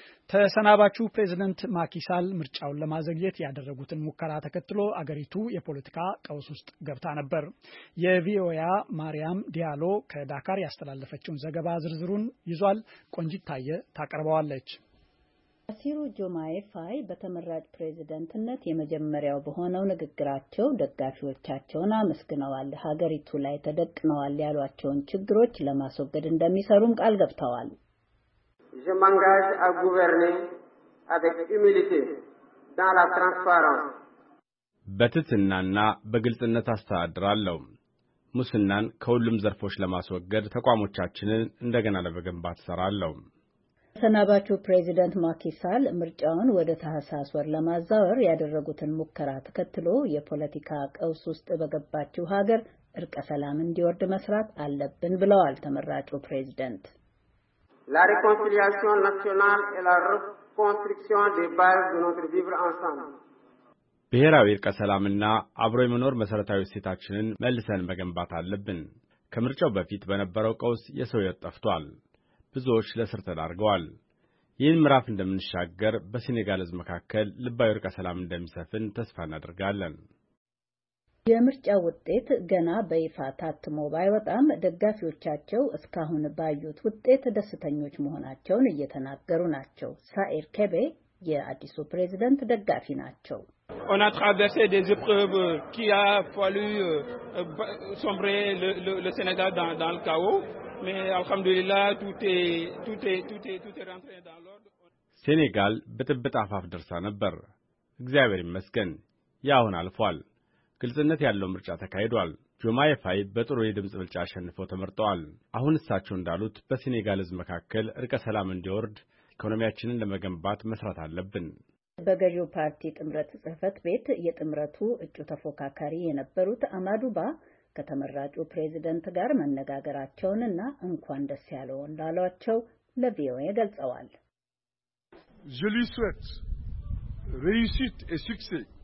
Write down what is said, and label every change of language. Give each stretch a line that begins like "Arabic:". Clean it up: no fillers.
Amharic: ተሰናባቹ ፕሬዝደንት ማኪሳል ምርጫውን ለማዘግየት ያደረጉትን ሙከራ ተከትሎ አገሪቱ የፖለቲካ ቀውስ ውስጥ ገብታ ነበር። የቪኦኤ ማርያም ዲያሎ ከዳካር ያስተላለፈችውን ዘገባ ዝርዝሩን ይዟል። ቆንጂት ታየ ታቀርበዋለች። ባሲሮ ጆማይ ፋይ በተመራጭ ፕሬዝደንትነት የመጀመሪያው በሆነው ንግግራቸው ደጋፊዎቻቸውን አመስግነዋል። ሀገሪቱ ላይ ተደቅነዋል ያሏቸውን ችግሮች ለማስወገድ እንደሚሰሩም ቃል ገብተዋል።
French: Je m'engage à gouverner avec humilité dans la transparence.
Amharic: በትትናና በግልጽነት አስተዳድራለሁ። ሙስናን ከሁሉም ዘርፎች ለማስወገድ ተቋሞቻችንን እንደገና ለመገንባት ሰራለሁ። ሰናባቹ ፕሬዚደንት ማኪሳል ምርጫውን ወደ ታህሳስ ወር ለማዛወር ያደረጉትን ሙከራ ተከትሎ የፖለቲካ ቀውስ ውስጥ በገባችው ሀገር እርቀ ሰላም እንዲወርድ መስራት አለብን ብለዋል ተመራጩ ፕሬዚደንት።
French: La réconciliation nationale et la reconstruction des bases de notre vivre ensemble.
Amharic: ብሔራዊ እርቀ ሰላምና አብሮ የመኖር መሰረታዊ እሴታችንን መልሰን መገንባት አለብን። ከምርጫው በፊት በነበረው ቀውስ የሰው ሕይወት ጠፍቷል። ብዙዎች ለእስር ተዳርገዋል። ይህን ምዕራፍ እንደምንሻገር በሴኔጋልዝ መካከል ልባዊ እርቀ ሰላም እንደሚሰፍን ተስፋ እናደርጋለን። የምርጫ ውጤት ገና በይፋ ታትሞ ባይወጣም ደጋፊዎቻቸው እስካሁን ባዩት ውጤት ደስተኞች መሆናቸውን እየተናገሩ ናቸው። ሳኤር ከቤ የአዲሱ ፕሬዝደንት ደጋፊ ናቸው።
French: On a traversé des épreuves qui a fallu sombrer le Sénégal dans le chaos, mais alhamdoulillah tout est rentré dans l'ordre.
Amharic: ሴኔጋል በጥብጥ አፋፍ ደርሳ ነበር። እግዚአብሔር ይመስገን ያሁን አልፏል። ግልጽነት ያለው ምርጫ ተካሂዷል። ጆማይ ፋይ በጥሩ የድምጽ ብልጫ አሸንፈው ተመርጠዋል። አሁን እሳቸው እንዳሉት በሴኔጋልዝ መካከል እርቀ ሰላም እንዲወርድ ኢኮኖሚያችንን ለመገንባት መስራት አለብን። በገዢው ፓርቲ ጥምረት ጽህፈት ቤት የጥምረቱ እጩ ተፎካካሪ የነበሩት አማዱባ ከተመራጩ ፕሬዝደንት ጋር መነጋገራቸውንና እንኳን ደስ ያለው እንዳሏቸው ለቪኦኤ ገልጸዋል።
French: Je lui souhaite réussite et succès.